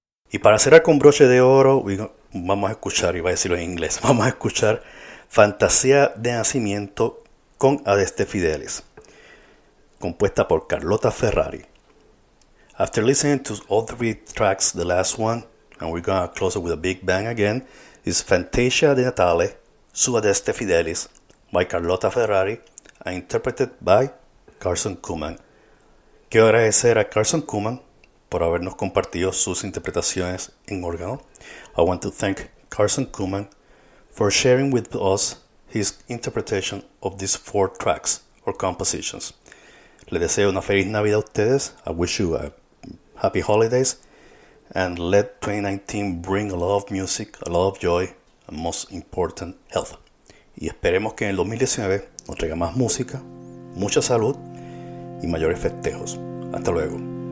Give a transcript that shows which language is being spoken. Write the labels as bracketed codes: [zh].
[es] Y para cerrar con broche de oro, vamos a escuchar, iba a decirlo en inglés, vamos a escuchar Fantasía de Nacimiento con Adeste Fidelis, compuesta por Carlota Ferrari. [en] After listening to all three tracks, the last one, and we're gonna close it with a big bang again, is Fantasia de Natale, su Adeste Fidelis, by Carlota Ferrari, and interpreted by Carson Kuman. [es] Quiero agradecer a Carson Kuman por habernos compartido sus interpretaciones en órgano. [en] I want to thank Carson Kuman for sharing with us his interpretation of these four tracks or compositions. [es] Le deseo una feliz Navidad a ustedes. [en] I wish you a happy holidays. And let 2019 bring a lot of music, a lot of joy, and most important, health. [es] Y esperemos que en el 2019 nos traiga más música, mucha salud y mayores festejos. Hasta luego.